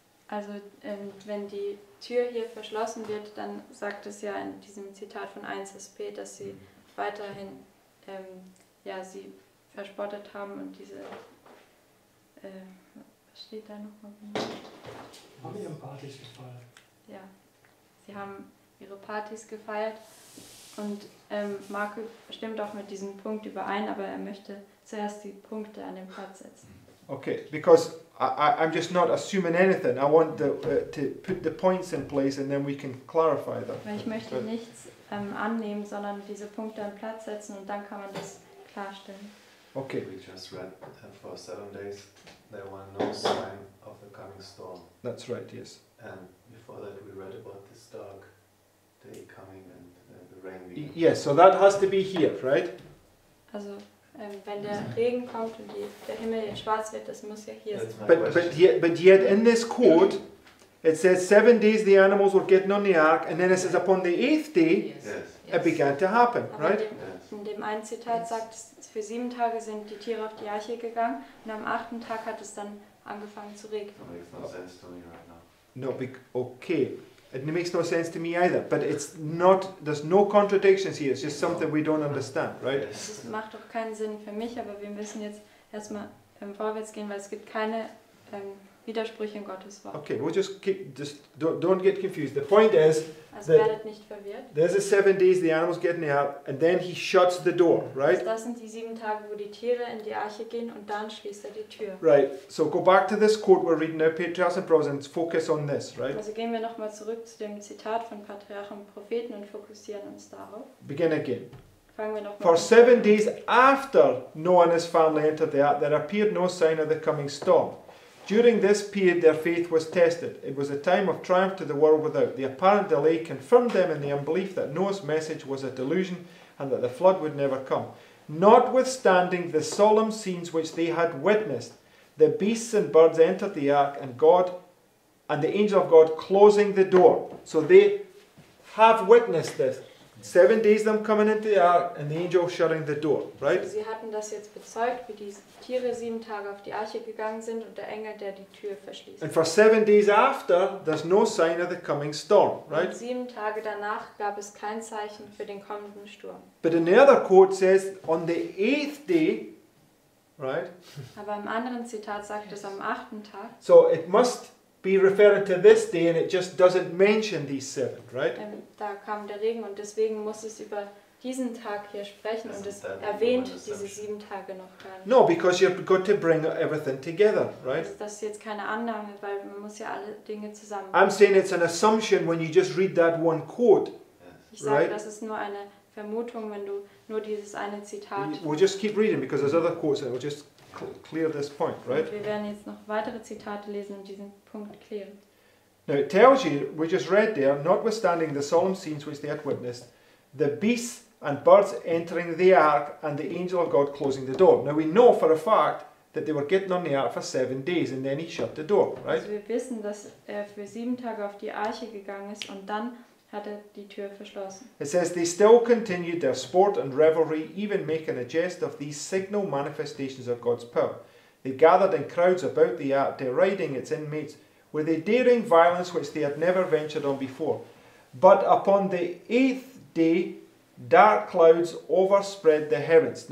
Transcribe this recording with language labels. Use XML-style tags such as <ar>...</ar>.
<de>Also, wenn die Tür hier verschlossen wird, dann sagt es ja in diesem Zitat von 1SP, dass sie weiterhin sie verspottet haben und diese was steht da nochmal? Haben ihre Partys gefeiert. Ja, sie haben ihre Partys gefeiert und Marco stimmt auch mit diesem Punkt überein, aber er möchte zuerst die Punkte an den Platz setzen.</de> <en>Okay, because I'm just not assuming anything. I want to put the points in place and then we can clarify them.</en> <de>Ich möchte nichts annehmen, sondern diese Punkte an Platz setzen und dann kann man das klarstellen.</de> <en>Okay. We just read that for 7 days there were no sign of the coming storm. That's right, yes. And before that we read about this dark day coming and the rain. Yes, so that has to be here, right?</en> <de>Also, wenn der Regen kommt und der Himmel schwarz wird, das muss ja hier sein.</de> <en>But yet in this quote, it says 7 days the animals were getting on the ark, and then it says upon the 8th day, yes. It began to happen,</en> <de>aber</de> <en>right?</en> <de>In dem einen Zitat sagt es, für 7 Tage sind die Tiere auf die Arche gegangen und am 8. Tag hat es dann angefangen zu regnen.</de> <en>That makes no sense to me right now. It makes no sense to me either. But it's not, there's no contradictions here. It's just something we don't understand, right?</en> <de>Es macht doch keinen Sinn für mich, aber wir müssen jetzt erstmal vorwärts gehen, weil es gibt keine Widersprüche in Gottes Wort.</de> <en>Okay, we'll just keep, don't get confused. The point is,</en> <de>also werdet nicht verwirrt.</de> <en>There's the 7 days the animals get in the ark, and then he shuts the door, right?</en> <de>Das sind die 7 Tage, wo die Tiere in die Arche gehen, und dann schließt die Tür.</de> <en>Right, so go back to this quote we're reading now, Patriarchs and Prophets, and focus on this, right?</en> <de>Also gehen wir nochmal zurück zu dem Zitat von Patriarchen und Propheten und fokussieren uns darauf.</de> <en>Begin again.</en> <de>Fangen wir noch mal</de> <en>For an. 7 days after Noah and his family entered the ark, there appeared no sign of the coming storm. During this period, their faith was tested. It was a time of triumph to the world without. The apparent delay confirmed them in the unbelief that Noah's message was a delusion and that the flood would never come. Notwithstanding the solemn scenes which they had witnessed, the beasts and birds entered the ark and God, and the angel of God closing the door. So they have witnessed this. 7 days them coming into the ark and the angel shutting the door, right?</en> <de>Sie hatten das jetzt bezeugt, wie die Tiere 7 Tage auf die Arche gegangen sind und der Engel, der die Tür verschließt.</de> <en>And for 7 days after, there's no sign of the coming storm, right?</en> <de>Und 7 Tage danach gab es kein Zeichen für den kommenden Sturm.</de> <en>But in the other quote says, on the 8th day, right?</en> <de>Aber im anderen Zitat sagt es am 8. Tag.</de> <en>So it must be referring to this day, and it just doesn't mention these 7, right?</en> <de>Da kam der Regen und deswegen muss es über diesen Tag hier sprechen und es erwähnt diese 7 Tage noch gar nicht.</de> <en>No, because you've got to bring everything together, right?</en> <de>Das ist jetzt keine Annahme, weil man muss ja alle Dinge zusammen.</de> <en>I'm saying it's an assumption when you just read that one quote, right?</en> <de>Ich sage, das ist nur eine Vermutung, wenn du nur dieses eine Zitat.</de> <en>We'll just keep reading because there's other quotes that will just clear this point, right?</en> <de>Wir werden jetzt noch weitere Zitate lesen und diesen Punkt klären.</de> <en>Now it tells you, we just read there, notwithstanding the solemn scenes which they had witnessed, the beasts and birds entering the ark and the angel of God closing the door. Now we know for a fact that they were getting on the ark for 7 days and then he shut the door, right?</en> <de>Also wir wissen, dass für 7 Tage auf die Arche gegangen ist und dann hat die Tür verschlossen.</de> <en>It says they still continued their sport and revelry, even making a jest of these signal manifestations of God's power. They gathered in crowds about the ark, deriding its inmates with a daring violence which they had never ventured on before. But upon the 8th day, dark clouds overspread the heavens.</en>